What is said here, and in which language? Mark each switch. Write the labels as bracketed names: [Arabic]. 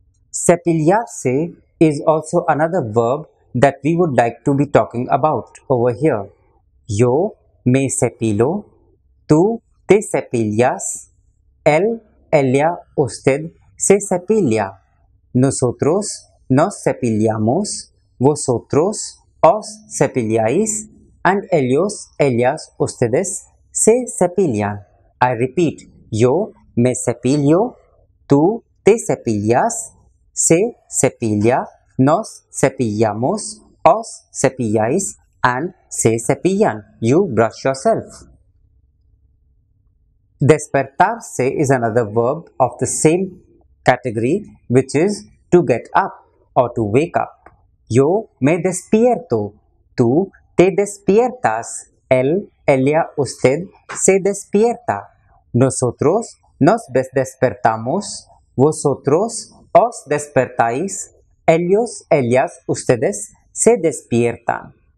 [English] Cepillarse is also another verb that we would like to be talking about over here. [Spanish] Yo me cepillo, tú te cepillas, él, ella, usted se cepilla. Nosotros nos cepillamos, vosotros os cepilláis, and ellos, ellas, ustedes se cepillan. [English] I repeat, [Spanish] yo me cepillo, tú te cepillas, se cepilla, nos cepillamos, os cepilláis, and se cepillan. [English] You brush yourself. Despertarse is another verb of the same category, which is to get up or to wake up. [Spanish] Yo me despierto, tú te despiertas, él, ella, usted se despierta. Nosotros nos despertamos, vosotros os despertáis, ellos, ellas, ustedes se despiertan.